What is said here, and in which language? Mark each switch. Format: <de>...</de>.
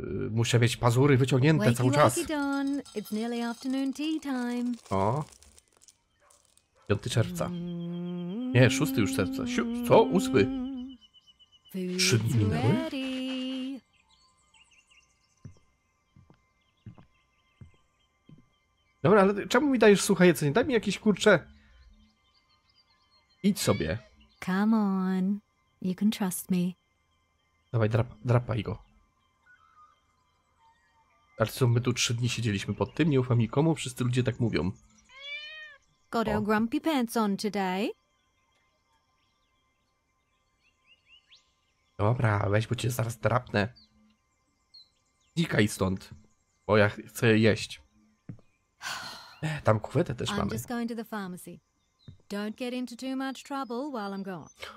<pl>muszę mieć pazury wyciągnięte cały czas.</pl> <en>It's nearly afternoon tea time.</en> <pl>O. 5 czerwca. Nie, 6 już czerwca. Co? 8? 3 dni minęły? Dobra, ale czemu mi dajesz suche jedzenie? Daj mi jakieś, kurcze... Idź sobie.</pl> <en>Come on. You can trust me.</en> <pl>Dawaj, drapaj go. Ale co, my tu 3 dni siedzieliśmy pod tym? Nie ufam nikomu, wszyscy ludzie tak mówią.</pl> <en>Got our grumpy pants on today.</en> <pl>Dobra, weź, bo cię zaraz drapnę. Znikaj stąd, bo ja chcę jeść. Tam kuwetę też mamy.</pl> <en>I'm just going to the pharmacy. Don't get into too much trouble while I'm gone.</en>